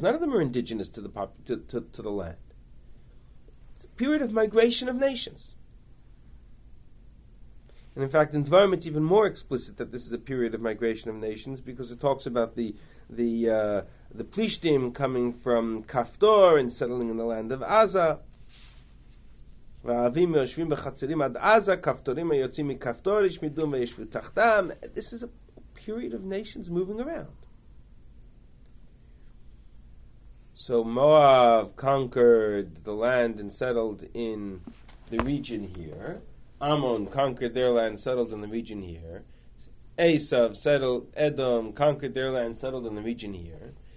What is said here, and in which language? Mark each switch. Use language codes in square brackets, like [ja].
[en] None of them are indigenous to the land. It's a period of migration of nations. And in fact, in Dvarim, it's even more explicit that this is a period of migration of nations, because it talks about the Plishtim coming from Kaftor and settling in the land of Aza. [he] והערבים יושבים בחצרים עד עזה, כפתורים היוצאים מכפתור, ישמידום וישבו תחתם. [en] This is a period of nations moving around. So Moab conquered the land and settled in the region here. Ammon conquered their land, settled in the region here. Esav settled, Edom conquered their land, settled in the region here.